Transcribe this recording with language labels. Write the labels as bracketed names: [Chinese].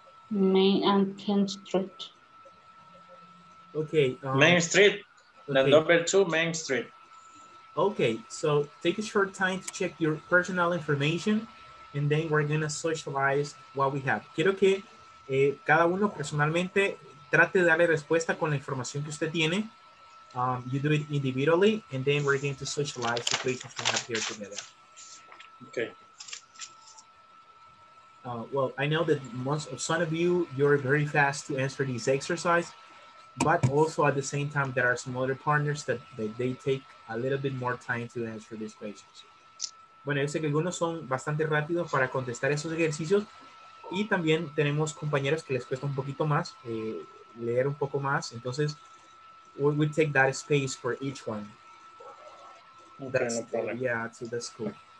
[English] Main and King Street. Okay. Main Street, okay. Number two, Main Street. Okay, so take a short time to check your personal information. And then we're going to socialize what we have. [Spanish] Quiero que cada uno personalmente trate de darle respuesta con la información que usted tiene. [English] You do it individually, and then we're going to socialize the questions we have here together. Okay. Well, I know that most of some of you, you're very fast to answer this exercise, but also at the same time, there are some other partners that they take a little bit more time to answer these questions. [Spanish] Bueno, yo sé que algunos son bastante rápidos para contestar esos ejercicios y también tenemos compañeros que les cuesta un poquito más, leer un poco más. [English] Entonces, we take that space for each one. Okay, that's no problem. Yeah, so that's cool.